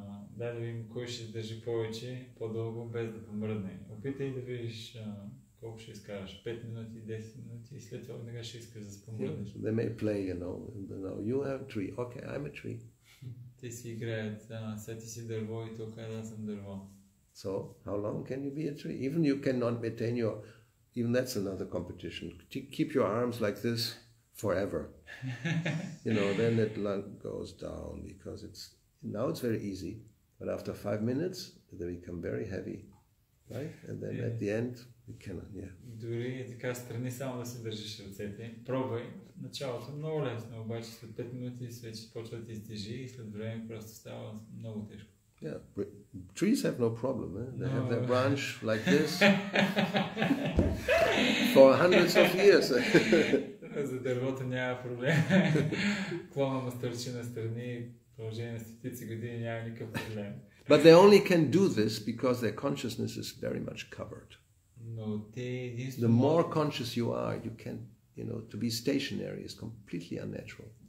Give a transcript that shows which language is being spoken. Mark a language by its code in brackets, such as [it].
[bg] Дай да видим кой ще държи повече, по-дълго, без да помръдне. Опитай да видиш колко ще изкараш, 5 минути, 10 минути и след това веднага ще искаш да се помръднеш. [en] They may play, you know. No, you have a tree. Okay, I'm a tree. [bg] Те си играят, сега ти си дърво и тук аз съм дърво. [en] So, how long can you be a tree? Even you cannot maintain your... Even that's another competition. Keep your arms like this forever. You know, then it goes down because now it's very easy. But after 5 minutes, they become very heavy, right? And then at the end, you cannot, yeah. [bg] Дори така страни само да се държиш ръцете. Пробвай. Началото много лесно, обаче след 5 минути вече почва да ти стежи и след време просто става много тежко. [en] Yeah, trees have no problem. Eh? They have their branch like this for hundreds of years. [bg] За дървото няма проблем. Клона му стърчи на страни, продължение на стотици години няма никакъв проблем. [en] But they only can do this because their consciousness is very much covered. [bg] Но те [en] The more conscious you are, you can, you know, to be stationary is completely unnatural.